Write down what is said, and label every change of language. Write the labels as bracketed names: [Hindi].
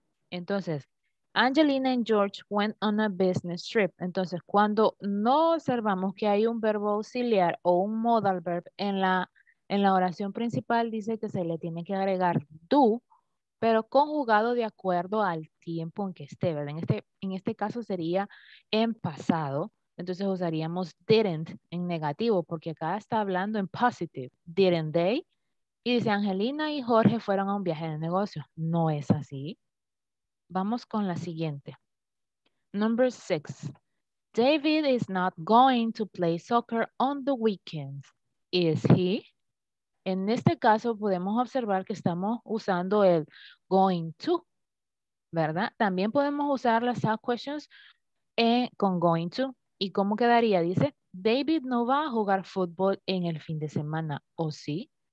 [English] Entonces, Angelina and George went on a business trip. [Spanish] Entonces, cuando no observamos que hay un verbo auxiliar o un modal verb en la oración principal, dice que se le tiene que agregar do, pero conjugado de acuerdo al tiempo en que esté, ¿verdad? En este caso sería en pasado. Entonces usaríamos didn't en negativo, porque acá está hablando en positive. [English] Didn't they? [Spanish] Y dice, Angelina y Jorge fueron a un viaje de negocio. No es así. Vamos con la siguiente. Number 6. [English] David is not going to play soccer on the weekends. Is he? [Spanish] En este caso podemos observar que estamos usando el going to, ¿verdad? También podemos usar las sub questions con going to. ¿Y cómo quedaría? Dice, David no va a jugar fútbol en el fin de semana, ¿o sí?